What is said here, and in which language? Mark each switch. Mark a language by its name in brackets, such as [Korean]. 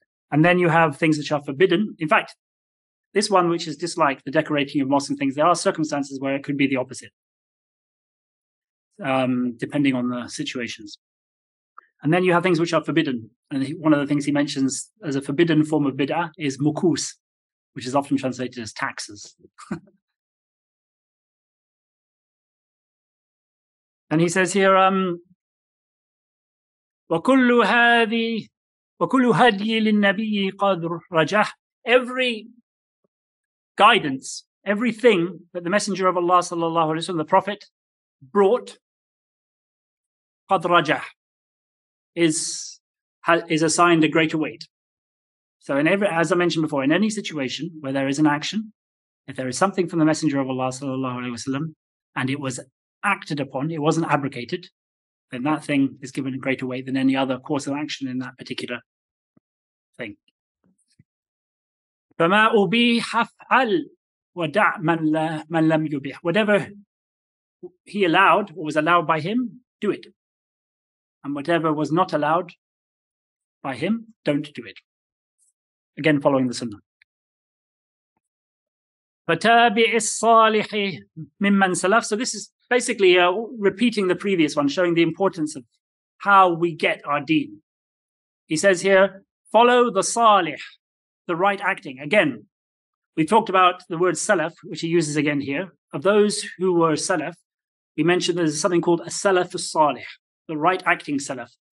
[English] And then you have things which are forbidden. In fact, this one, which is disliked, the decorating of mosques and things, there are circumstances where it could be the opposite, depending on the situations. And then you have things which are forbidden. And one of the things he mentions as a forbidden form of bid'ah is mukus, which is often translated as taxes. And he says here, [Arabic] وَكُلُّ هَدْيِ لِلنَّبِيِّ قَدْرُ رَجَحْ. [English] Every guidance, everything that the Messenger of Allah sallallahu alayhi wa sallam, the Prophet, brought, [Arabic] قَدْ رَجَحْ, [English] is assigned a greater weight. So as I mentioned before, in any situation where there is an action, if there is something from the Messenger of Allah sallallahu alayhi wa sallam, and it was acted upon, it wasn't abrogated, then that thing is given a greater weight than any other course of action in that particular thing. [Arabic] فَمَا أُبِيحَ فَعَلْ وَدَعْ مَنْ لَمْ يُبِيحَ. [English] Whatever he allowed or was allowed by him, do it. And whatever was not allowed by him, don't do it. Again, following the sunnah. [Arabic] فَتَابِعِ الصَّالِحِ مِمَّنْ سَلَفْ. [English] So this is basically repeating the previous one, showing the importance of how we get our deen. He says here, follow the salih, the right acting. Again, we talked about the word salaf, which he uses again here. Of those who were salaf, we mentioned there's something called a salaf salih, the right acting salaf.